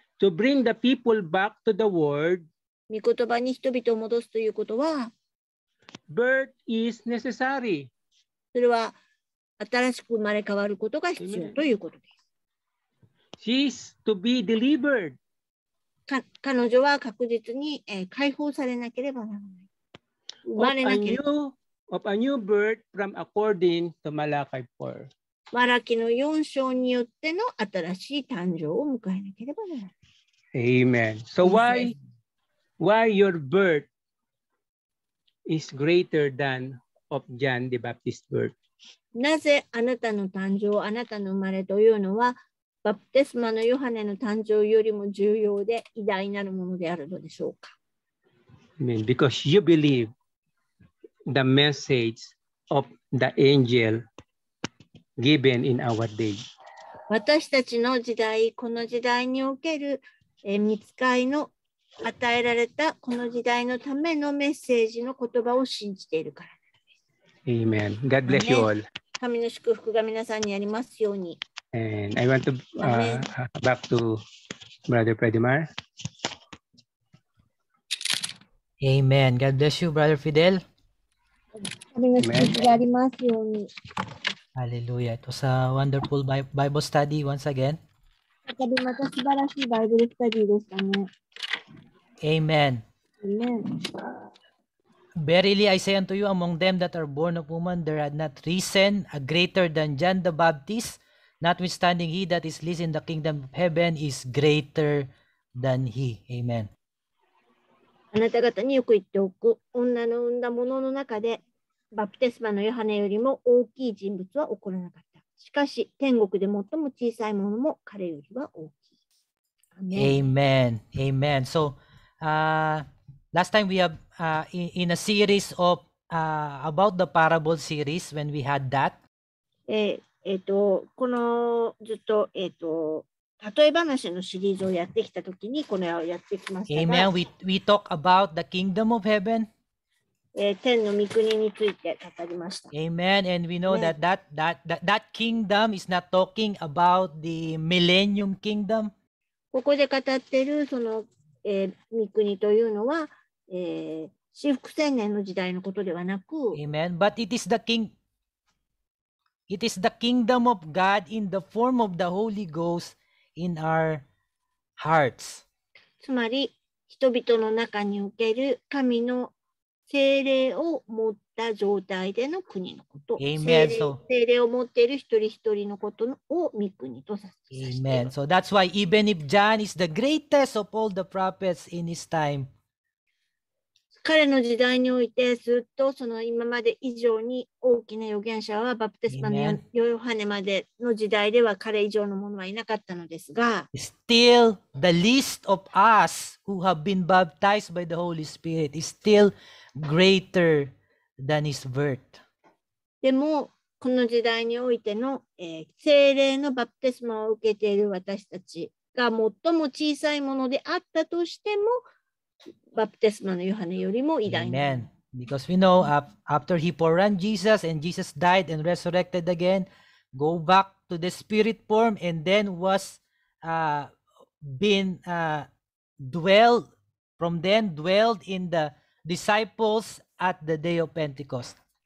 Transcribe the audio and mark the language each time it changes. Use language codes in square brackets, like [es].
[en] To bring the people back to the word, [ja] 御言葉に人々を戻すということは、 [en] Birth is necessary. [ja] それは新しく生まれ変わることが必要ということです。 [en] She is to be delivered. [ja] 彼女は確実に、解放されなければならない。生まれなければ。 [en] Of a new birth from according to Malachi 4. [ja] マラキの4章によっての新しい誕生を迎えなければならない。 [en] Amen. So why your birthis greater than of John the Baptist's birth. [ja] なぜあなたの誕生、あなたの生まれというのは、バプテスマのヨハネの誕生よりも重要で偉大なるものであるのでしょうか。 [en] Amen. Because you believe the message of the angel given in our day. [ja] 私たちの時代、この時代における御使いの与えられたこの時代のためのメッセージの言葉を信じているからです。 [en] Amen. God bless you all. [ja] 神の祝福が皆さんにありますように。 [en] And I want to back to Brother Fredimar. Amen. God bless you, Brother Fidel. [ja] 神の祝福がありますように。 [en] Hallelujah. It was a wonderful Bible study once again. [ja] また素晴らしいバイブルスタディでしたね。 [en] Amen. Amen. Verily I say unto you, among them that are born of woman, there had not risen a greater than John the Baptist, notwithstanding he that is least in the kingdom of heaven is greater than he. Amen. [ja] あなた方によく言っておく、女の産んだ者の中で、バプテスマのヨハネよりも大きい人物は起こらなかった。しかし、天国で最も小さい者も彼よりは大きい。 [en] Amen. Amen. So,last time we have in a series of about the parable series when we had that. [ja] このずっと例え話のシリーズをやってきたときにこれをやってきましたが。 [en] Amen. We talk about the kingdom of heaven. [ja] 天の御国について語りました。 [en] Amen. And we know that, that kingdom is not talking about the millennium kingdom. [ja] ここで語っているその、御国というのは、至福千年の時代のことではなく、 [en] Amen. But it is the kingdom of God in the form of the Holy Ghost in our hearts. [ja] つまり、人々の中における神の聖霊を持った状態での国のこと。 [en] Amen. [ja] 聖霊を持っている一人一人のことを御国とさせています。Amen. [en] So that's why even if John is the greatest of all the prophets in his time, [ja] 彼の時代においてずっとその今まで以上に大きな預言者はバプテスマのヨハネまでの時代では彼以上のものはいなかったのですが、 [en] Still the least of us who have been baptized by the Holy Spirit is still greater than his birth. [ja] でもこの時代においての、聖霊のバプテスマを受けている私たちが最も小さいものであったとしてもバプテスマのヨハネよりも偉大な。Amen. [en] Because we know after he poured on Jesus and Jesus died and resurrected again, go back to the spirit form and then was dwelled in the disciples at the day of Pentecost.